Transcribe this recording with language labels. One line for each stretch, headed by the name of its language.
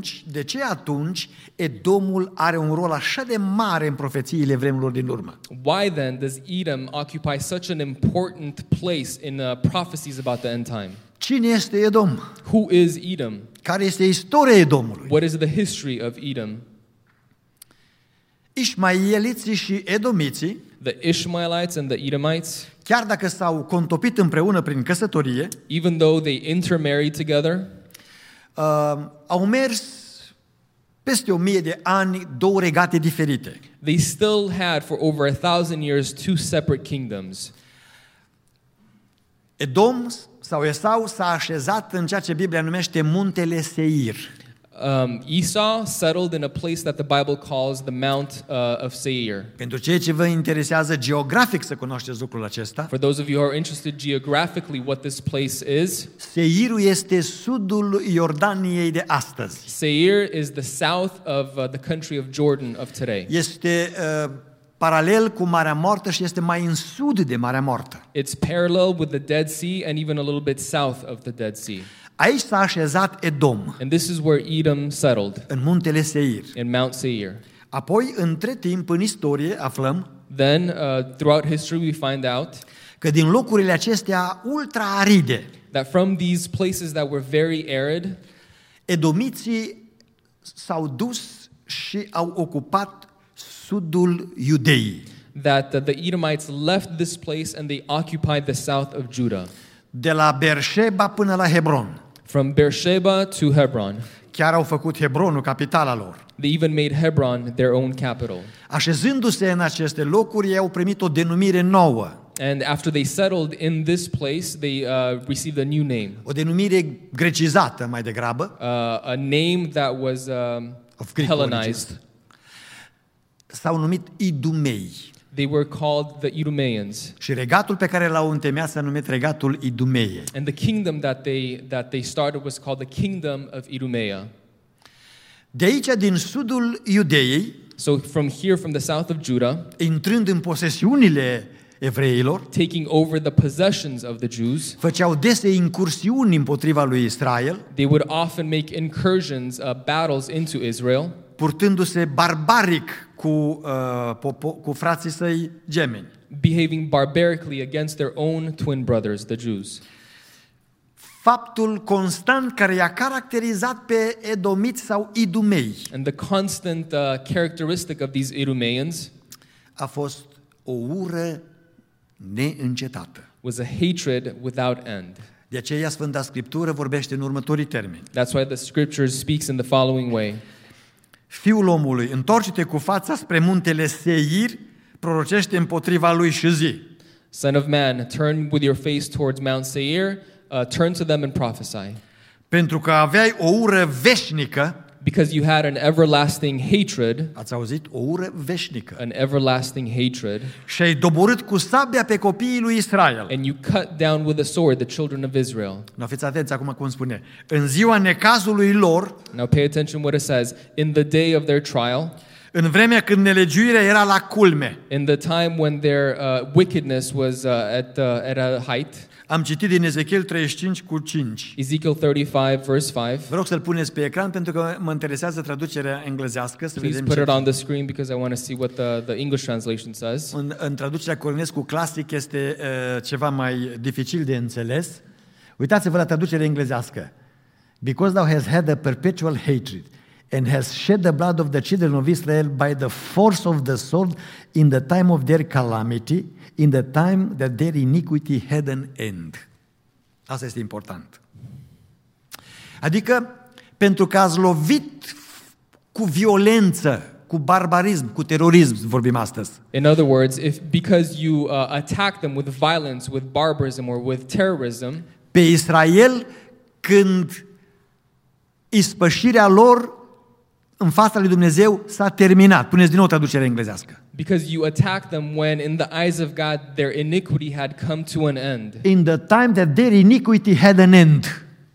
Romanian: De ce atunci Edomul are un rol așa de mare în profețiile vremurilor din urmă?
English: Why then does Edom occupy such an important place in the prophecies about the end time?
Romanian: Cine este Edom?
English: Who is Edom?
Romanian: Care este istoria Edomului?
English: What is the history of Edom?
Romanian: Ishmaeliții și edomiții,
English: the Ishmaelites and the Edomites,
Romanian: chiar dacă s-au contopit împreună prin căsătorie,
English: even though they intermarried together,
Romanian: au mers peste 1,000 de ani două regate diferite.
English: They still had for over 1,000 years two separate kingdoms.
Romanian: Edom sau Esau s-a așezat în ceea ce Biblia numește Muntele Seir.
English: Esau settled in a place that the Bible calls the Mount of Seir.
Romanian: Pentru cei ce vă interesează geografic să cunoașteți lucrul acesta.
English: For those of you who are interested geographically what this place is.
Romanian: Seirul este sudul Iordaniei de astăzi.
English: Seir is the south of the country of Jordan of today.
Romanian: Este paralel cu Marea Moartă și este mai în sud de Marea Moartă.
English: It's parallel with the Dead Sea and even a little bit south of the Dead Sea.
Romanian: Aici s-a așezat Edom.
English: And this is where Edom settled.
Romanian: În Muntele Seir.
English: In Mount Seir.
Romanian: Apoi, între timp, în istorie, aflăm.
English: Then, throughout history, we find out
Romanian: că din locurile acestea ultra aride,
English: that from these places that were very arid,
Romanian: edomiții s-au dus și au ocupat sudul Iudeii.
English: That the Edomites left this place and they occupied the south of Judah.
Romanian: De la Beersheba până la Hebron.
English: From Beersheba to Hebron.
Romanian: Chiar au făcut Hebronul capitala lor.
English: They even made Hebron their own capital.
Romanian: Așezându-se în aceste locuri, ei au primit o denumire nouă.
English: And after they settled in this place, they received a new name.
Romanian: O denumire grecizată mai degrabă.
English: A name that was Hellenized.
Romanian: S-au numit Idumei.
English: They were called the Idumeans.
Romanian: Și regatul pe care l-au întemeiat s-a numit regatul Idumeie.
English: And the kingdom that they started was called the kingdom of Idumea.
Romanian: De aici din sudul Iudeei,
English: so from here from the south of Judah,
Romanian: intrând în posesiunile evreilor,
English: taking over the possessions of the Jews,
Romanian: făceau dese incursiuni împotriva lui Israel,
English: they would often make incursions, battles into Israel,
Romanian: purtându-se barbaric cu, cu frații săi gemeni,
English: behaving barbarically against their own twin brothers, the Jews.
Romanian: Faptul constant care i-a caracterizat pe edomiți sau idumei.
English: And the constant characteristic of these Idumeans
Romanian: a fost o ură neîncetată.
English: Was a hatred without end.
Romanian: De aceea Sfânta Scriptură vorbește în următorii termeni.
English: That's why the scripture speaks in the following way.
Romanian: Fiul omului, întoarce-te cu fața spre muntele Seir, prorocește împotriva lui și zi.
English: Son of man, turn with your face towards Mount Seir. Turn to them and prophesy.
Romanian: Pentru că aveai o ură veșnică,
English: because you had an everlasting hatred.
Romanian: Ați auzit? O ură veșnică.
English: An everlasting hatred.
Romanian: Și ai doborât cu sabia pe copiii lui Israel.
English: And you cut down with a sword the children of Israel.
Romanian: Now, fiți atenți acum cum spune. În ziua necazului lor,
English: now pay attention what it says, in the day of their trial,
Romanian: în vremea când nelegiuirea era la culme,
English: in the time when their wickedness was at a height,
Romanian: am citit din Ezechiel 35 cu 5.
English: Ezekiel 35 verse 5.
Romanian: Vă rog să-l puneți pe ecran pentru că mă interesează traducerea englezească, să vedem.
English: Put it on the screen because I want to see what the English translation says.
Romanian: În traducerea Cornescu clasic este ceva mai dificil de înțeles. Uitați-vă la traducerea englezească.
English: Because thou hast had a perpetual hatred and hast shed the blood of the children of Israel by the force of the sword in the time of their calamity, in the time that their iniquity had an end.
Romanian: Asta este important. Adică, pentru că ați lovit cu violență, cu barbarism, cu terorism, vorbim astăzi.
English: In other words, if because you attack them with violence, with barbarism or with terrorism,
Romanian: pe Israel, când ispășirea lor în fața lui Dumnezeu s-a terminat. Puneți din nou traducerea englezească.
English: Because you attack them when in the eyes of God their iniquity had come to an end. In the time that their iniquity had an end.